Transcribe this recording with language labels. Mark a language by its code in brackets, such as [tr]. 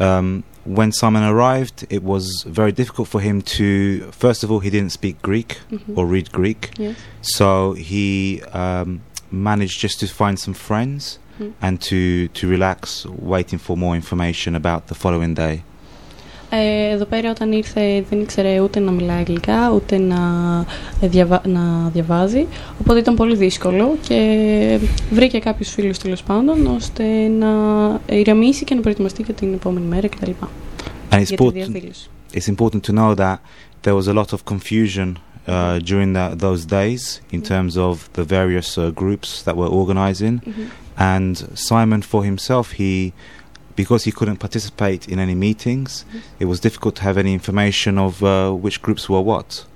[en] And when Simon arrived, it was very difficult for him to... First of all, he didn't speak Greek mm-hmm. or read Greek. Yes. So he managed just to find some friends mm-hmm. and to relax, waiting for more information about the following day. [el] Εδώ πέρα όταν ήρθε δεν ήξερε ούτε να μιλά αγγλικά, ούτε να διαβάζει. Οπότε ήταν πολύ δύσκολο και βρήκε κάποιους φίλους τέλος πάντων, ώστε να ηρεμήσει και να προετοιμαστεί για την επόμενη μέρα κτλ. [en] And it's important to know that there was a lot of confusion during those days in terms of the various groups that were organizing. Mm-hmm. And Simon for himself, because he couldn't participate in any meetings, it was difficult to have any information of which groups were what.